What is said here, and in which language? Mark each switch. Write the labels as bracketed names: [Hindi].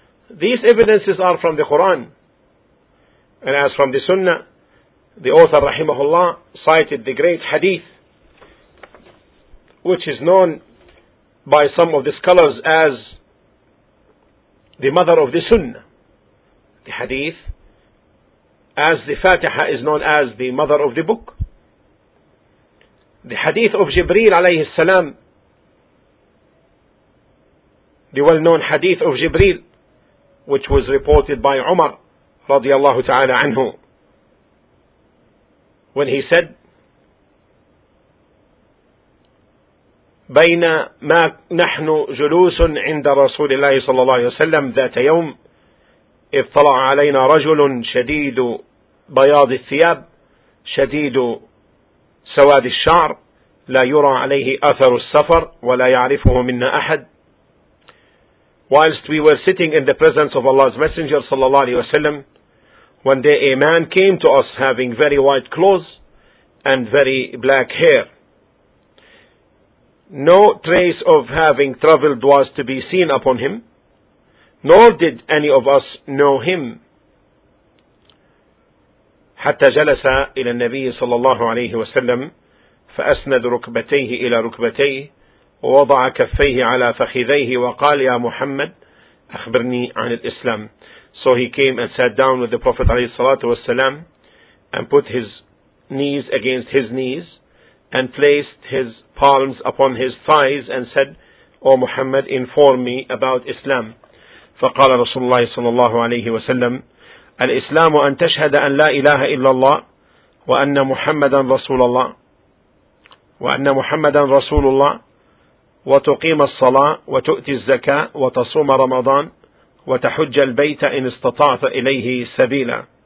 [English] These evidences are from the Quran. And as from the Sunnah, the author, rahimahullah, cited the great hadith, which is known by some of the scholars as the mother of the Sunnah. The hadith, as the Fatiha is known as the mother of the book. The hadith of Jibreel alayhi salam, the well-known hadith of Jibreel, which was reported by Umar radiyallahu ta'ala anhu, when he said, [Arabic] بين ما نحن جلوس عند رسول الله صلى الله عليه وسلم ذات يوم إذ طلع علينا رجل شديد بياض الثياب شديد سواد الشعر لا يرى عليه أثر السفر ولا يعرفه منا أحد. [English] Whilst we were sitting in the presence of Allah's Messenger sallallahu alayhi wa sallam, one day a man came to us having very white clothes and very black hair. No trace of having traveled was to be seen upon him, nor did any of us know him. [Arabic] حتى جلس إلى النبي صلى الله عليه وسلم فأسند ركبتيه إلى ركبتيه ووضع كفيه على فخذيه وقال يا محمد أخبرني عن الإسلام. [English] So he came and sat down with the Prophet [Arabic] عليه الصلاة والسلام [English] and put his knees against his knees and placed his palms upon his thighs and said, O Muhammad, inform me about Islam. [Arabic] فقال رسول الله صلى الله عليه وسلم الإسلام أن تشهد أن لا إله إلا الله وأن محمدا رسول الله وأن محمدا رسول الله وتقيم الصلاة وتؤتي الزكاة وتصوم رمضان وتحج البيت إن استطعت إليه سبيلا.